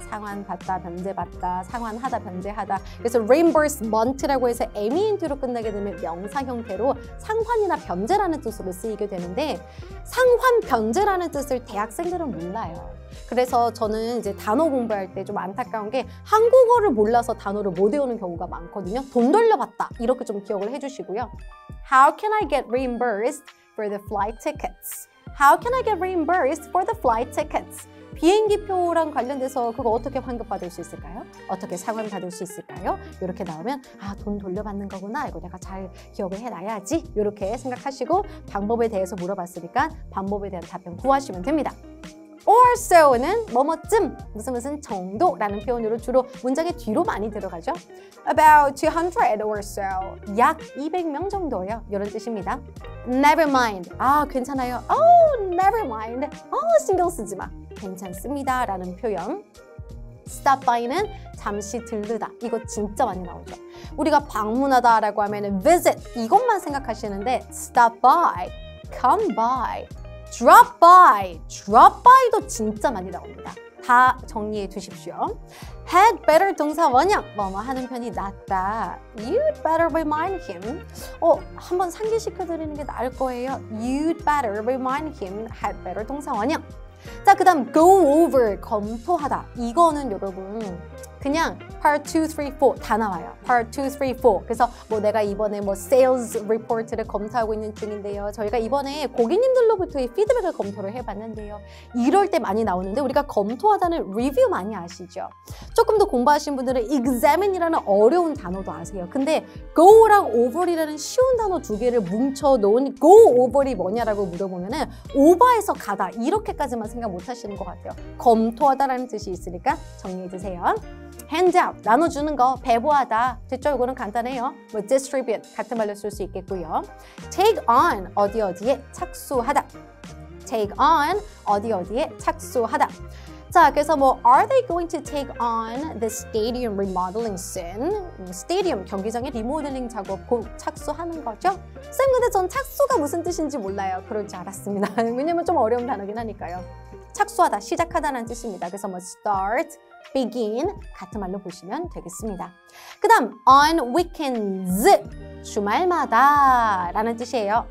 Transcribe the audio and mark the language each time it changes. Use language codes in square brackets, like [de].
[ko] 상환 받다, 변제 받다, 상환하다, 변제하다. 그래서 reimbursement라고 해서 ament로 끝나게 되면 명사 형태로 상환이나 변제라는 뜻으로 쓰이게 되는데 상환 변제라는 뜻을 대학생들은 몰라요. 그래서 저는 이제 단어 공부할 때 좀 안타까운 게 한국어를 몰라서 단어를 못 외우는 경우가 많거든요. 돈 돌려받다 이렇게 좀 기억을 해주시고요. [en] How can I get reimbursed for the flight tickets? How can I get reimbursed for the flight tickets? [ko] 비행기표랑 관련돼서 그거 어떻게 환급받을 수 있을까요? 어떻게 상환받을 수 있을까요? 이렇게 나오면 아 돈 돌려받는 거구나 이거 내가 잘 기억을 해놔야지 이렇게 생각하시고 방법에 대해서 물어봤으니까 방법에 대한 답변 구하시면 됩니다. Or so는 뭐뭐쯤, 무슨 무슨 정도라는 표현으로 주로 문장의 뒤로 많이 들어가죠. [en] About 200 or so. [ko] 약 200명 정도요. 이런 뜻입니다. [en] Never mind. [ko] 아, 괜찮아요. [en] Oh, never mind. [ko] 아, 신경 쓰지 마. 괜찮습니다. 라는 표현. Stop by는 잠시 들르다. 이거 진짜 많이 나오죠. 우리가 방문하다 라고 하면 visit. 이것만 생각하시는데 [en] stop by, come by. Drop by, drop by [ko] 도 진짜 많이 나옵니다. 다 정리해 두십시오. [en] Had better [ko] 동사 원형, 뭐뭐 하는 편이 낫다. [en] You'd better remind him. [ko] 한번 상기시켜 드리는 게 나을 거예요. [en] You'd better remind him, had better [ko] 동사 원형. 자, 그 다음 go over, 검토하다. 이거는 여러분 그냥 part 2, 3, 4 다 나와요. [en] part 2, 3, 4. [ko] 그래서 뭐 내가 이번에 뭐 sales report를 검토하고 있는 중인데요. 저희가 이번에 고객님들로부터의 피드백을 검토를 해봤는데요. 이럴 때 많이 나오는데 우리가 검토하다는 review 많이 아시죠? 조금 더 공부하신 분들은 examine이라는 어려운 단어도 아세요. 근데 go랑 over이라는 쉬운 단어 두 개를 뭉쳐놓은 go over이 뭐냐라고 물어보면 over에서 가다 이렇게까지만 생각 못하시는 것 같아요. 검토하다라는 뜻이 있으니까 정리해주세요. Handout, 나눠주는 거, 배부하다. 됐죠? 이거는 간단해요. 뭐 distribute, 같은 말로 쓸 수 있겠고요. Take on, 어디 어디에 착수하다. Take on, 어디 어디에 착수하다. 자, 그래서 뭐 [en] Are they going to take on the stadium remodeling soon? [ko] Stadium, 경기장의 리모델링 작업 곧 착수하는 거죠? 쌤, 근데 전 착수가 무슨 뜻인지 몰라요. 그럴 줄 알았습니다. 왜냐면 좀 어려운 단어긴 하니까요. 착수하다, 시작하다는 뜻입니다. 그래서 뭐 start, begin 같은 말로 보시면 되겠습니다. 그 다음 on weekends 주말마다 라는 뜻이에요.